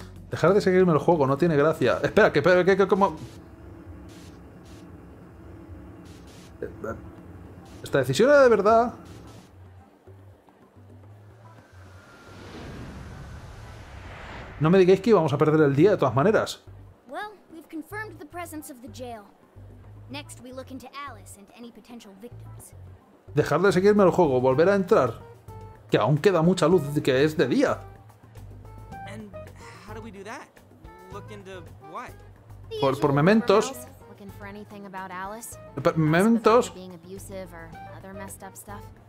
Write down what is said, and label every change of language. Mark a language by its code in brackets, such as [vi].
[es] Dejar de seguirme el juego no tiene gracia. Espera, que como... Esta decisión era de verdad. No me digáis que íbamos a perder el día de todas maneras. [en] Well, we've confirmed the presence of the jail. Next, we look into Alice and any potential victims. [es] Dejar de seguirme el juego, volver a entrar. Que aún queda mucha luz, que es de día. [en] And how do we do that? Look into what? [es] Por mementos. [en] Looking for anything about Alice? Mementos. Being abusive or other messed up stuff?